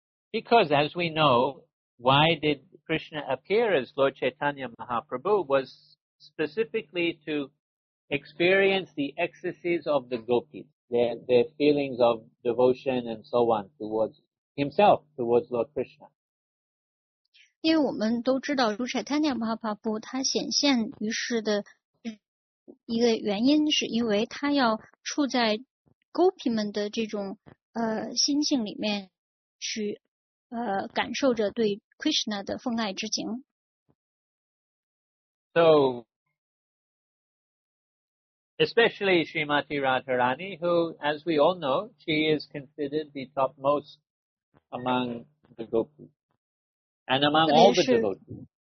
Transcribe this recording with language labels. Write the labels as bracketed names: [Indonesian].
[English] Because as we know, why did Krishna appear as Lord Chaitanya Mahaprabhu was specifically to experience the ecstasies of the gopis. their feelings of devotion and so on towards himself, towards Lord Krishna. [Chinese] 因为我们都知道如柴坦尼亚马哈帕布他显现于世的一个原因是因为他要处在 Gopi 们的这种心性里面去感受着对 Krishna 的奉爱之情。 [English] So, especially Srimati Radharani, who, as we all know, she is considered the topmost among the Gopis and among all the devotees.